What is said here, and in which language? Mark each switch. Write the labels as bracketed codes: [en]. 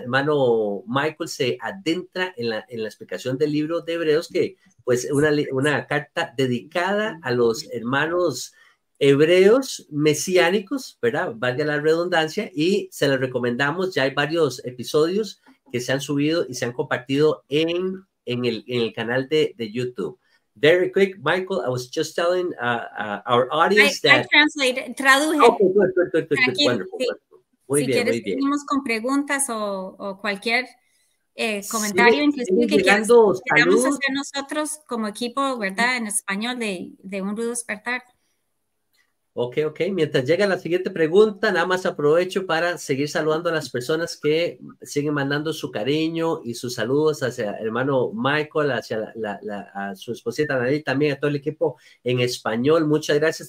[es] Hermano Michael se adentra en la explicación del libro de Hebreos, que pues una carta dedicada a los hermanos hebreos mesiánicos, ¿verdad? Valga la redundancia, y se les recomendamos. Ya hay varios episodios que se han subido y se han compartido en el canal de YouTube. [en] Very quick, Michael, I was just telling our audience I translated, [es] traduje. [en] Okay, good. [es] Aquí, [en] wonderful. [es] Si quieres, seguimos con preguntas o cualquier comentario, inclusive que queramos hacer nosotros como equipo, ¿verdad? En español de Un Rudo Despertar. Ok. Mientras llega la siguiente pregunta, nada más aprovecho para seguir saludando a las personas que siguen mandando su cariño y sus saludos hacia el hermano Michael, hacia a su esposita Nadine, también a todo el equipo en español. Muchas gracias.